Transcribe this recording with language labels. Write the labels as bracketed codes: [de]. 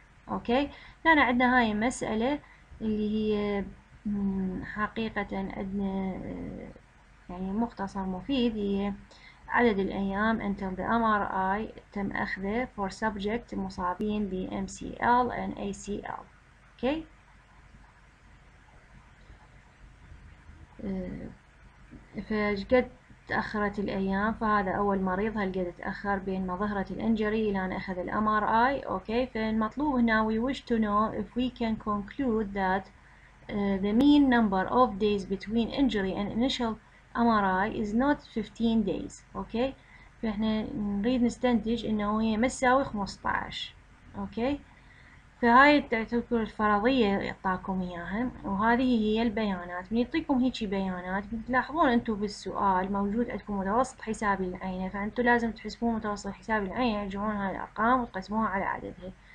[ar] اوكي، هنا عندنا هاي مسألة اللي هي حقيقة عندنا يعني مختصر مفيد، هي عدد الأيام [en] until the MRI [ar] تم أخذه [en] for subject [ar] مصابين ب MCL and ACL. اوكي، فجد تأخرت الأيام، فهذا أول مريض هلقى تأخر بين ما ظهرت الإنجري إلى أن أخذ الـ MRI. أوكي، فالمطلوب هنا [en] we wish to know if we can conclude that the mean number of days between injury and initial MRI is not 15 days. [ar] أوكي، فإحنا نريد نستنتج إنه هي ما تساوي 15. أوكي، فهاي تعتبر الفرضية يعطاكم إياها، وهذه هي البيانات. من يعطيكم هيجي بيانات بتلاحظون أنتم بالسؤال موجود عندكم متوسط حساب العينة، فأنتم لازم تحسبون متوسط حساب العينة، تجمعون هاي الأرقام وتقسموها على عددها.